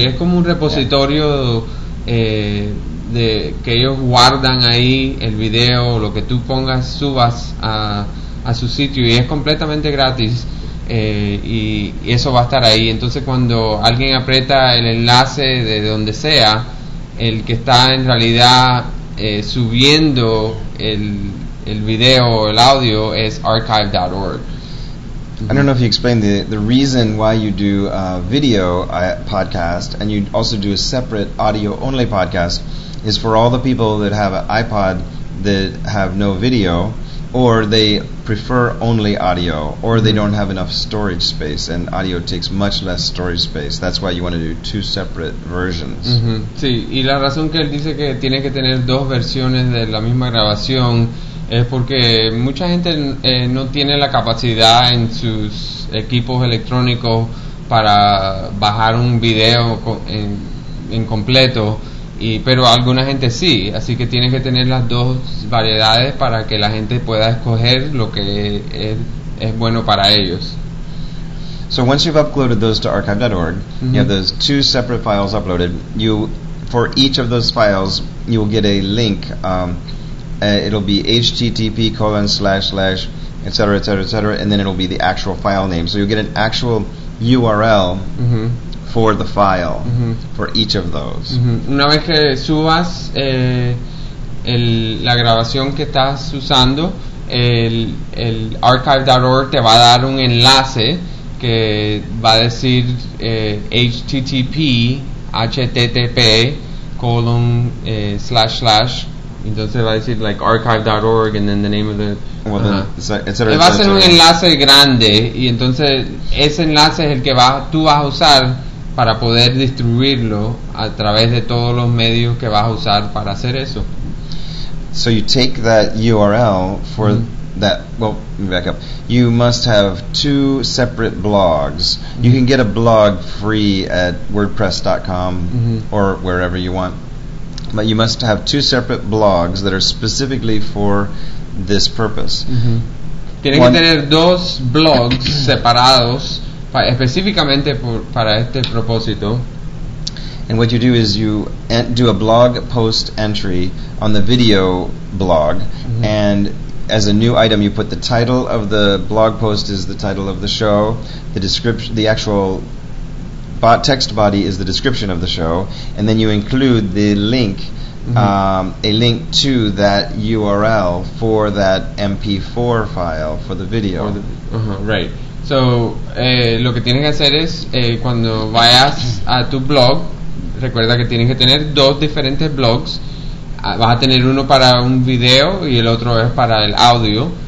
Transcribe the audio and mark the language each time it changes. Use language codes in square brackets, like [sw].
[es] Sí, es como un repositorio de que ellos guardan ahí el video, lo que tú pongas, subas a su sitio, y es completamente gratis, y eso va a estar ahí. Entonces cuando alguien aprieta el enlace de donde sea, el que está en realidad subiendo el video o el audio es archive.org. [en] I don't know if you explained the reason why you do a video podcast and you also do a separate audio only podcast is for all the people that have an iPod that have no video, or they prefer only audio, or mm-hmm. they don't have enough storage space, and audio takes much less storage space. That's why you want to do two separate versions. Mm-hmm. [es] Sí, y la razón que él dice que tiene que tener dos versiones de la misma grabación es porque mucha gente no tiene la capacidad en sus equipos electrónicos para bajar un video en completo, pero alguna gente sí, así que tienes que tener las dos variedades para que la gente pueda escoger lo que es bueno para ellos. [en] So once you've uploaded those to archive.org, mm-hmm. you have those two separate files uploaded. For each of those files, you will get a link. It'll be http://, etc., etc., etc., and then it'll be the actual file name. So you'll get an actual URL mm-hmm. for the file mm-hmm. for each of those. Mm-hmm. [es] Una vez que subas la grabación que estás usando, el archive.org te va a dar un enlace que va a decir http://. Entonces va a decir [en] like archive.org and then the name of the... [es] va a ser un enlace grande, y entonces ese enlace es el que tú vas a usar para poder distribuirlo a través de todos los medios que vas a usar para hacer eso. [en] So you take that URL for that, well, let me back up. You must have two separate blogs. Mm-hmm. You can get a blog free at WordPress.com or wherever you want. But you must have two separate blogs that are specifically for this purpose. [es] Tienes que tener dos blogs separados específicamente para este propósito. [en] And what you do is you do a blog post entry on the video blog, and as a new item you put the title of the blog post is the title of the show, the description, the actual text body is the description of the show, and then you include the link, a link to that URL for that MP4 file for the video. Right. [es] So, lo que tienes que hacer es, cuando vayas a tu blog, recuerda que tienes que tener dos diferentes blogs. Vas a tener uno para un video y el otro es para el audio.